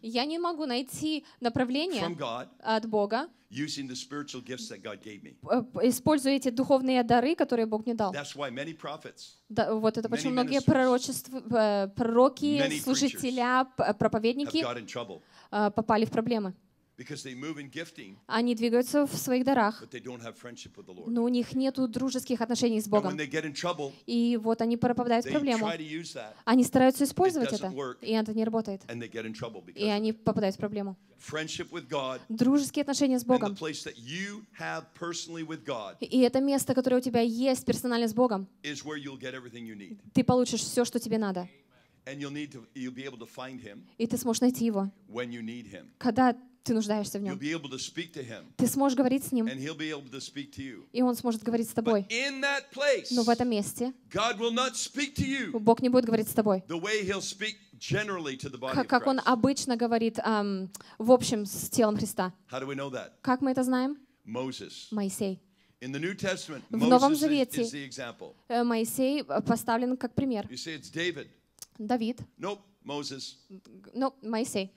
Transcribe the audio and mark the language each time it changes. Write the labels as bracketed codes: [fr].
[ru] Я не могу найти направление от Бога, [en] using the spiritual gifts that God gave me. [ru] Используя эти духовные дары, которые Бог мне дал. [en] That's why many prophets. [ru] Да, вот это почему многие пророки, служители, проповедники попали в проблемы. [en] Because they move in gifting. [ru] Они двигаются в своих дарах. [en] But they don't have friendship with the Lord. [ru] Но у них нету дружеских отношений с Богом. [en] And when they get in trouble, [ru] и вот они попадают в проблему. [en] They try to use that. [ru] Они стараются использовать это. [en] It doesn't work. [ru] И это не работает. [en] And they get in trouble because. [ru] И они попадают в проблему. [en] Friendship with God. [ru] Дружеские отношения с Богом. [en] And the place that you have personally with God. [ru] И это место, которое у тебя есть персонально с Богом. [en] Is where you'll get everything you need. [ru] Ты получишь все, что тебе надо. [en] And you'll need to. You'll be able to find him. [ru] И ты сможешь найти его. [en] When you need him. [ru] Когда ты нуждаешься в нем. [en] You'll be able to speak to him, [ru] ты сможешь говорить с ним. [en] And he'll be able to speak to you. [ru] И он сможет говорить с тобой. [en] But in that place, [ru] но в этом месте [en] God will not speak to you, [ru] Бог не будет говорить с тобой. [en] The way he'll speak generally to the body of Christ. [ru] Как он обычно говорит в общем с телом Христа. [en] How do we know that? [ru] Как мы это знаем? [en] Moses. [ru] Моисей. [en] In the New Testament, [ru] в Новом Завете [en] is the example. [ru] Моисей поставлен как пример. [en] You say it's David. [ru] Давид. [en] Nope. Moses. No, Moses.